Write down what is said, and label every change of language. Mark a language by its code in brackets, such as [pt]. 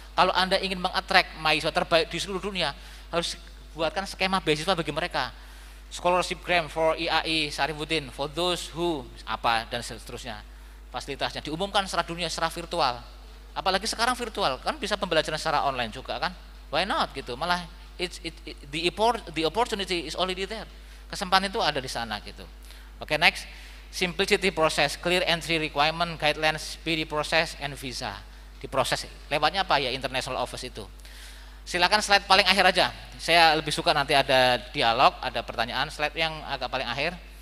[id] Kalau Anda ingin meng-attract mahasiswa terbaik di seluruh dunia, harus buatkan skema beasiswa bagi mereka. [en] Scholarship grant for IAI Sarifuddin, for those who, [id] dan seterusnya. Fasilitasnya diumumkan secara dunia, secara virtual. Apalagi sekarang virtual, kan bisa pembelajaran secara online juga kan. [en] Why not [id] gitu, malah [en] the opportunity is already there. [id] Kesempatan itu ada di sana gitu. [en] Okay, next, simplicity process, clear entry requirement, guidelines, speedy process, and visa. [id] Di proses, lewatnya apa ya international office itu. silakan slide paling akhir aja. Saya lebih suka nanti ada dialog, ada pertanyaan, slide yang agak paling akhir.